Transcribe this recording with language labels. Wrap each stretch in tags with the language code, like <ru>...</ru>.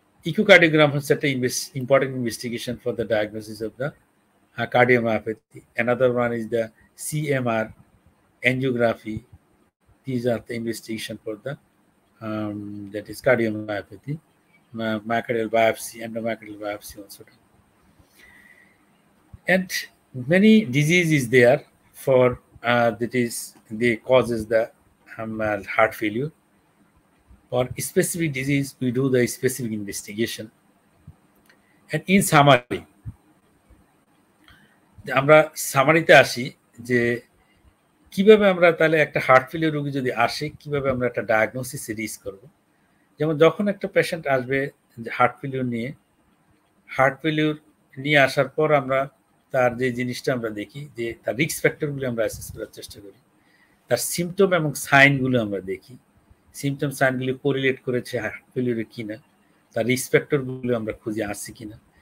<en>echocardiogram</en> <bn>হচ্ছে একটা</bn> <en>Important investigation for the diagnosis of the cardiomyopathy. Another one is the CMR, angiography, these are the investigation for the that is cardiomyopathy, myocardial biopsy, endomyocardial biopsy also. And many diseases there for that is they causes the heart failure. For specific disease, we do the specific investigation. And in summary,</en> <bn>আমরা সামারিতে আসি যে কিভাবে আমরা তাহলে একটা heart failure রোগী যদি আসে কিভাবে আমরা একটা ডায়াগনোসিস রিস করব। যেমন যখন একটা পেশেন্ট আসবে হার্ট ফেলিওর নিয়ে, হার্ট ফেলিওর নিয়ে আসার পর আমরা তার যে জিনিসটা আমরা দেখি, যে তার রিস্ক ফ্যাক্টরগুলো আমরা অ্যাসেস করার চেষ্টা করি, তার সিমটম এবং সাইনগুলো আমরা দেখি, সিমটম সাইনগুলি কোরিলেট করেছে হার্ট ফেলিওরে কি না, তার রিস্ক ফ্যাক্টরগুলো আমরা খুঁজে আসছি কি না।</bn>